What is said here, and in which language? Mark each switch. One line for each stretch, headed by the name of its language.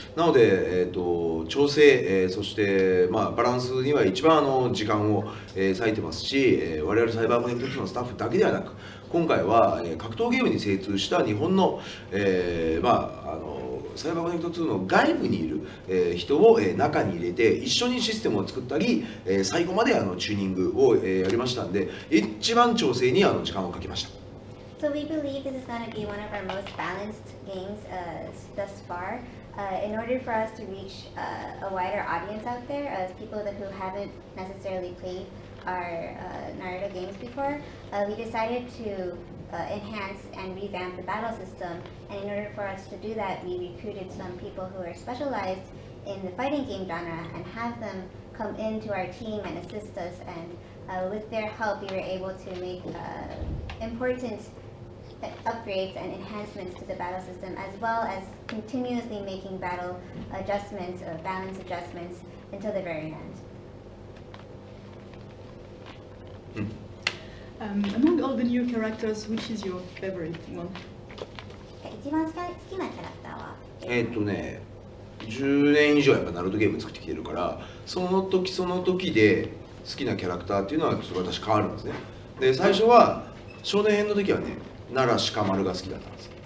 Japanese: なので、調整、そして、まあ、バランスには一番時間を、割いてますし、我々サイバーコネクトのスタッフだけではなく、今回は、格闘ゲームに精通した日本の、まあ、サイバーコネクト2の外部にいる、人を、中に入れて一緒にシステムを作ったり、最後までチューニングを、やりましたんで、一番調整に時間をかけました。
English: So we believe this is going to be one of our most balanced games、thus far、in order for us to reach、a wider audience out there as、people that who haven't necessarily played our、Naruto games before、we decided toenhance and revamp the battle system, and in order for us to do that, we recruited some people who are specialized in the fighting game genre and have them come into our team and assist us, and、with their help, we were able to make、important upgrades and enhancements to the battle system, as well as continuously making battle adjustments or balance adjustments until the very end. Among all the new characters, which is your favorite one?
Japanese: 一番好きなキャラクターは 10年以上やっぱナルトゲーム作ってきてるから、その時その時で好きなキャラクターっていうのはちょっと私変わるんですね。で、最初は少年編の時はね、奈良しかまるが好きだったんです。